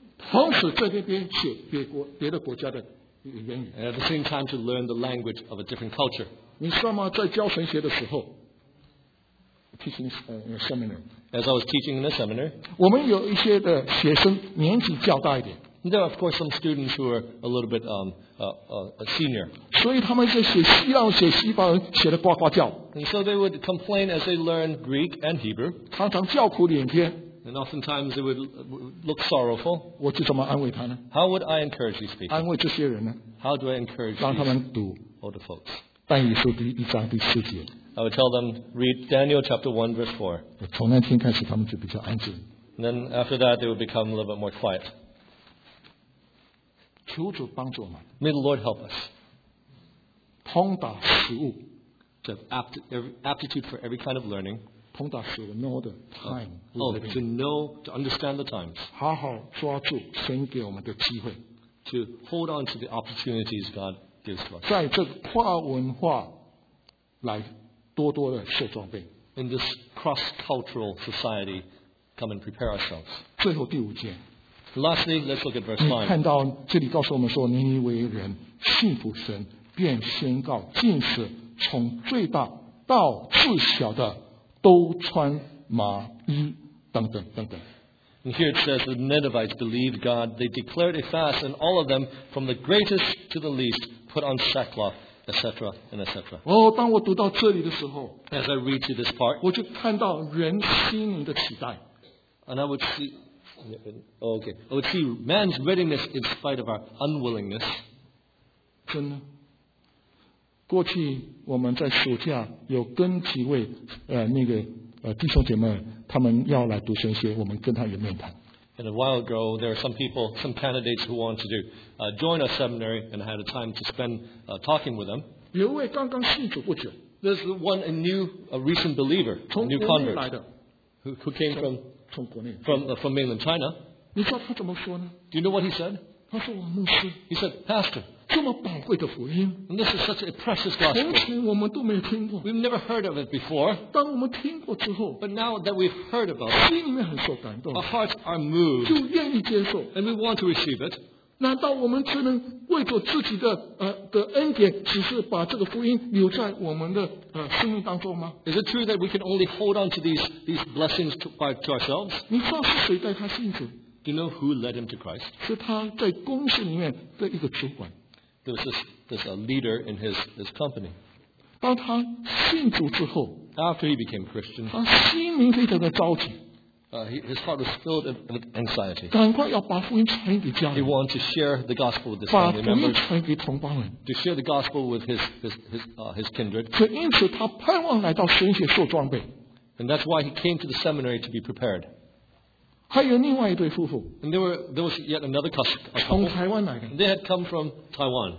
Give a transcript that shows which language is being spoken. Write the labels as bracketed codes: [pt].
[zh] 同时在那边写别的国家的言语。 [en] And at the same time to learn the language of a different culture. [zh] 你知道吗？在教神学的时候 ， [en] teaching in a seminar. As I was teaching in a seminar. [zh] 我们有一些的学生年纪较大一点。 [en] There are of course some students who are a little bit a senior. [zh] 所以他们在写希腊、写西方人写的呱呱叫。 [en] And so they would complain as they learn Greek and Hebrew. [zh] 常常叫苦连天。 [en] And oftentimes it would look sorrowful. [zh] 我就怎么安慰他呢？ [en] How would I encourage these people? [zh] 安慰这些人呢？ [en] How do I encourage? [zh] 让他们读 [en] older folks. [zh] 但以理书第一章第四节。 [en] I would tell them read Daniel chapter 1 verse 4. [zh] 从那天开始，他们就比较安静。 [en] And then after that, they would become a little bit more quiet. [zh] 求主帮助我们。 [en] May the Lord help us. [zh] 通达事物。 [en] To have aptitude for every kind of learning. [zh] 通达时 [en] know the time. To know, to understand the times. [zh] 好好抓住神给我们的机会。 [en] To hold on to the opportunities God gives to us. [zh] 在这个跨文化来多多的受装备。 [en] In this cross-cultural society, come and prepare ourselves. [zh] 最后第五节。 [en] Lastly, let's look at verse 5. [zh] 你看到这里告诉我们说，尼尼微人信服神，便宣告禁食，从最大到最小的。都穿麻衣等等等等。 [en] And here it says the Ninevites believed God. They declared a fast, and all of them, from the greatest to the least, put on sackcloth, etc. and etc. [zh] 哦，当我读到这里的时候 [en] ，as I read to this part， [zh] 我就看到人心灵的期待。 [en] And I would see, okay, I would see man's readiness in spite of our unwillingness. [zh] 真的，过去我们在暑假有跟几位弟兄姐妹，他们要来读神学，我们跟他有面谈。 [en] And a while ago, there are some people, some candidates who want to do, join a seminary, and I had a time to spend, talking with them. [zh] 有位刚刚信主不久。 [en] There's one, a new, a recent believer, a new convert, who came from mainland China. [zh] 你知道他怎么说呢？ [en] Do you know what he said? [zh] 他说我牧师。 [en] He said, Pastor, [zh] 这么宝贵的福音， [en] and this is such a precious gospel. [zh] 从前我们都没有听过。 [en] We've never heard of it before. [zh] 当我们听过之后， [en] but now that we've heard about [zh] it, 心里面很受感动， [en] our hearts are moved. [zh] 就愿意接受， [en] and we want to receive it. [zh] 难道我们只能为着自己的的恩典，只是把这个福音留在我们的生命当中吗？ [en] Is it true that we can only hold on to these blessings to ourselves? [zh] 你知道是谁带他信主？ [en] Do you know who led him to Christ? [zh] 是他在公司里面的一个主管。 [en] There was this a leader in his company. [zh] 当他信主之后， [en] after he became Christian, [zh] 他心灵非常的着急。 [en] His heart was filled with anxiety. [zh] 赶快要把福音传给家人。 [en] He wanted to share the gospel with his family members. [zh] 把福音传给同胞们。 [en] To share the gospel with his kindred. [zh] 所以因此他盼望来到神学受装备。 [en] And that's why he came to the seminary to be prepared. [zh] 还有另外一对夫妇。 [en] And there was yet another couple. [zh] 从台湾来的。 [en] They had come from Taiwan.